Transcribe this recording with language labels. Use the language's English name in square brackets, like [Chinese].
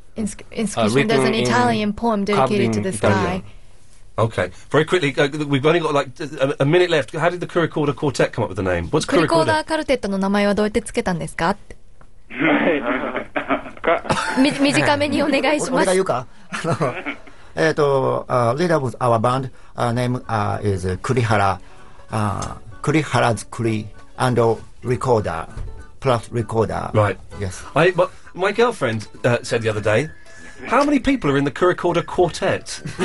[English] There's an Italian poem dedicated to this guy. Okay, very quickly, we've only got like a minute left. How did the Curricorda Quartet come up with the name? What's Curricorda? [Japanese] Curricorda Quartet の名前はどうやってつけたんですか? 短めにお願いします。俺が言うか? [English] Leader of our band, our name is Kurihara. Kurihara's Kuri and Recorder, plus Recorder. Right. Yes. My girlfriend said the other day, how many people are in the Curricorda Quartet?